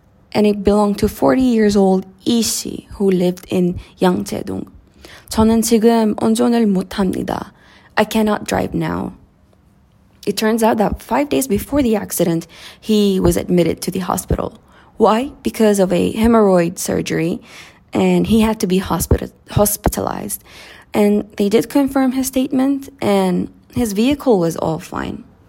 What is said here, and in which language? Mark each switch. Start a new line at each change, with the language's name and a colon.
English: And it belonged to 40-year-old Yi Xi, who lived in Yangjaedong.
Korean: 저는 지금 운전을 못합니다.
English: I cannot drive now. It turns out that 5 days before the accident, he was admitted to the hospital. Why? Because of a hemorrhoid surgery, and he had to be hospitalized. And they did confirm his statement, and his vehicle was all fine.